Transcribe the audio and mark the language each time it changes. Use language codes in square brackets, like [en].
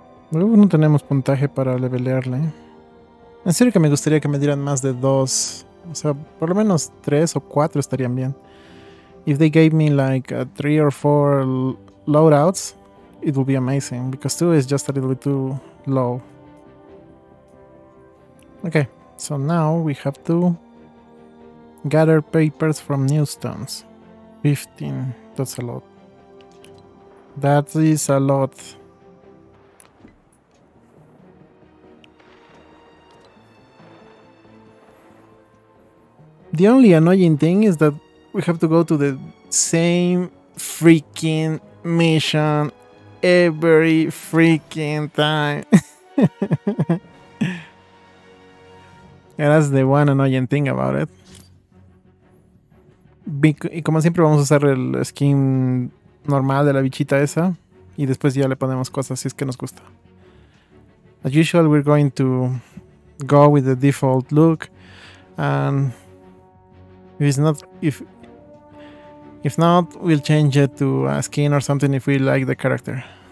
[es] Luego no tenemos puntaje para levelearle. En serio que me gustaría que me dieran más de 2. O sea, por lo menos 3 o 4 estarían bien. [en] If they gave me like 3 or 4 loadouts, it would be amazing. Because 2 is just a little bit too low. Okay, so now we have to gather papers from newsstands. 15, that's a lot. That is a lot. The only annoying thing is that we have to go to the same freaking mission every freaking time. And that's the one annoying thing about it. [es] Y como siempre vamos a usar el skin normal de la bichita esa. Y después ya le ponemos cosas si es que nos gusta. [en] As usual, we're going to go with the default look. And if it's not, if not, we'll change it to a skin or something if we like the character.